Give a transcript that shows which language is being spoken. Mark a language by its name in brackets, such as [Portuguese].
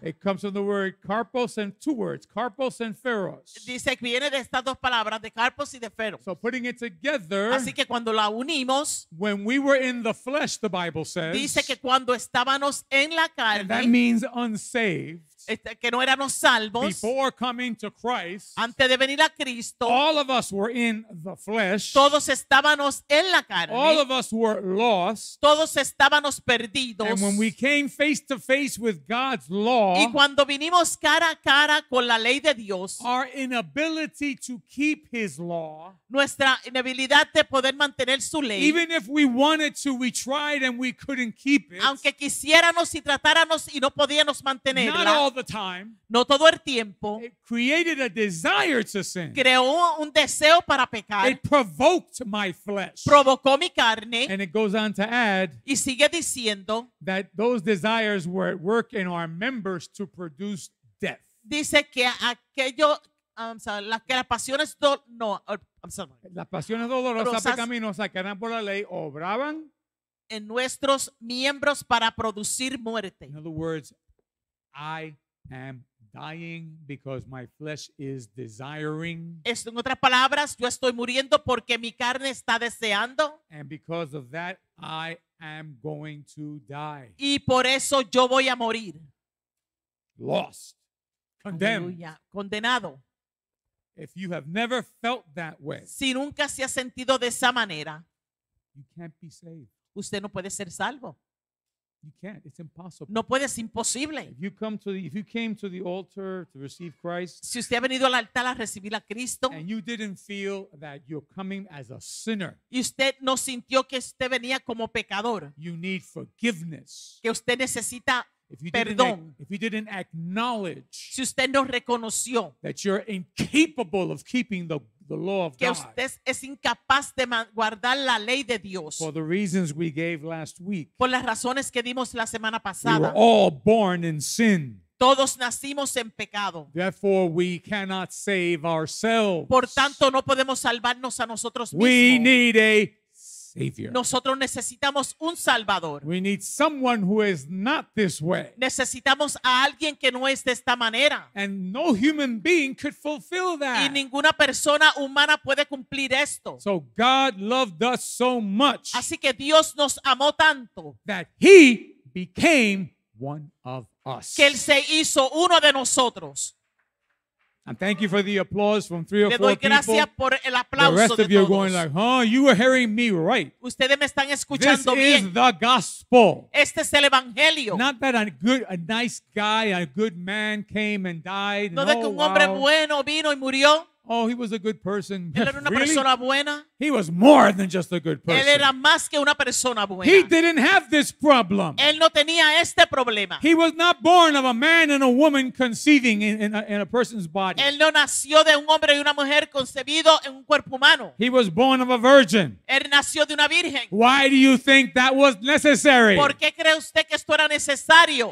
[English] It comes from the word carpos and two words, carpos and pharos. [Spanish] Dice que viene de estas dos palabras, de carpos y de pharos. [English] So putting it together. [Spanish] Así que cuando la unimos. [English] When we were in the flesh, the Bible says. [Spanish] Dice que cuando estábamos en la carne. [English] And that means unsaved. [Spanish] que no éramos salvos, [English] before coming to Christ, [Spanish] antes de venir a Cristo, [English] all of us were in the flesh, [Spanish] todos estábamos en la carne, [English] all of us were lost, [Spanish] todos estábamos perdidos, [English] and when we came face to face with God's law, [Spanish] y cuando vinimos cara a cara con la ley de Dios, [English] our inability to keep his law, [Spanish] nuestra inhabilidad de poder mantener su ley, [English] even if we wanted to, we tried and we couldn't keep it, [Spanish] aunque quisiéramos y tratáramos y no podíamos mantenerla, [English] not all the time, [Spanish] no todo el tiempo, [English] it created a desire to sin, [Spanish] creó un deseo para pecar, [English] it provoked my flesh, [Spanish] provocó mi carne, [English] and it goes on to add, [Spanish] y sigue diciendo, [English] that those desires were at work in our members to produce death. [Spanish] Dice que aquello, que las pasiones do, no, [English] las pasiones dolorosas pecaminosas que eran por la ley obraban [Spanish] en nuestros miembros para producir muerte. [English] In other words, I am dying because my flesh is desiring. [Spanish] En otras palabras, yo estoy muriendo porque mi carne está deseando. [English] And because of that, I am going to die. [Spanish] Y por eso yo voy a morir. [English] Lost. Condemned. Hallelujah. [Spanish] Condenado. [English] If you have never felt that way, [Spanish] si nunca se ha sentido de esa manera, [English] you can't be saved. [Spanish] Usted no puede ser salvo. [English] You can't. It's impossible. [Spanish] No puede, es imposible. [English] If you came to the altar to receive Christ, [Spanish] si usted ha venido al altar a recibir a Cristo, [English] and you didn't feel that you're coming as a sinner, [Spanish] y usted no sintió que usted venía como pecador, [English] you need forgiveness. [Spanish] Que usted necesita perdón. [English] If you didn't acknowledge, [Spanish] si usted no reconoció, [English] that you're incapable of keeping the law of [Spanish] que [English] God, [Spanish] usted es incapaz de guardar la ley de Dios, [English] for the reasons we gave last week, [Spanish] por las razones que dimos la semana pasada, [English] we were all born in sin, [Spanish] todos nacimos en pecado, [English] therefore we cannot save ourselves, [Spanish] por tanto no podemos salvarnos a nosotros mismos, [English] we need a Savior. [Spanish] Nosotros necesitamos un Salvador. [English] We need someone who is not this way. [Spanish] Necesitamos a alguien que no es de esta manera. [English] And no human being could fulfill that. [Spanish] Y ninguna persona humana puede cumplir esto. [English] So God loved us so much. [Spanish] Así que Dios nos amó tanto. [English] That he became one of us. [Spanish] Que él se hizo uno de nosotros. [English] And thank you for the applause from three or [Spanish] le [English] four people. [Spanish] Le doy gracias por el aplauso. [English] The rest [Spanish] de [English] of you [Spanish] todos. [English] Are going like, huh? You are hearing me right. [Spanish] Ustedes me están escuchando [English] this [Spanish] bien. [English] This is the gospel. [Spanish] Este es el evangelio. [English] Not that a nice guy, a good man came and died. [Spanish] No [English] and, [Spanish] de [English] oh, [Spanish] que un [English] wow. [Spanish] hombre bueno vino y murió. [English] Oh, he was a good person. [Spanish] Él era una [English] really? [Spanish] Persona buena. [English] He was more than just a good person. [Spanish] Él era más que una persona buena. [English] He didn't have this problem. [Spanish] Él no tenía este problema. [English] He was not born of a man and a woman conceiving in a person's body. [Spanish] Él no nació de un hombre y una mujer concebido en un cuerpo humano. [English] He was born of a virgin. [Spanish] Él nació de una virgen. [English] Why do you think that was necessary? [Spanish] ¿Por qué cree usted que esto era necesario?